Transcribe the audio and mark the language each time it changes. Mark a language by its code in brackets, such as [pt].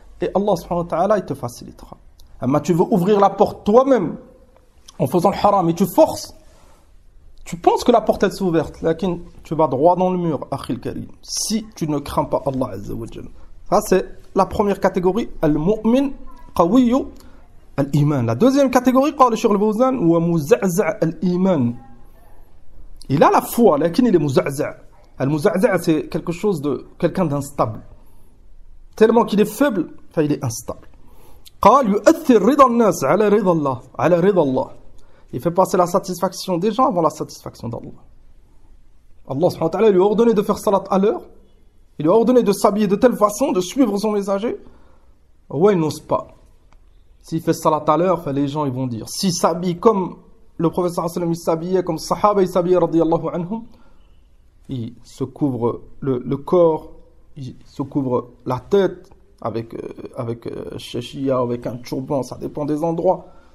[fr] Et Allah subhanahu wa ta'ala, il te facilitera. Mais tu veux ouvrir la porte toi-même en faisant le haram et tu forces. Tu penses que la porte elle s'est ouverte, mais tu vas droit dans le mur, akhil karim. Si tu ne crains pas Allah azza wa jalla. Ça, c'est la première catégorie, al-mu'min qawiyyu. [ar] الإيمان. [fr] La deuxième catégorie, [ar] قال الشيخ البوزان هو مزعزع الإيمان. [fr] Il a la foi, لكن il est مزعزع. المزعزع, c'est quelque chose de quelqu'un d'instable. Tellement qu'il est faible, fait il est instable. [ar] قال يؤثر رضا الناس على رضا الله. على رضا الله. [fr] Il fait passer la satisfaction des gens avant la satisfaction d'Allah. Allah سبحانه وتعالى lui a ordonné de faire salat à l'heure. Il lui a ordonné de s'habiller de telle façon, de suivre son messager. Ouais, il n'ose pas. S'il fait salat à l'heure, les gens ils vont dire. S'il s'habille comme le professeur sallam, il s'habillait comme sahaba, il s'habillait radiyallahu anhum, il se couvre le corps, il se couvre la tête avec chéchia, avec un turban, ça dépend des endroits.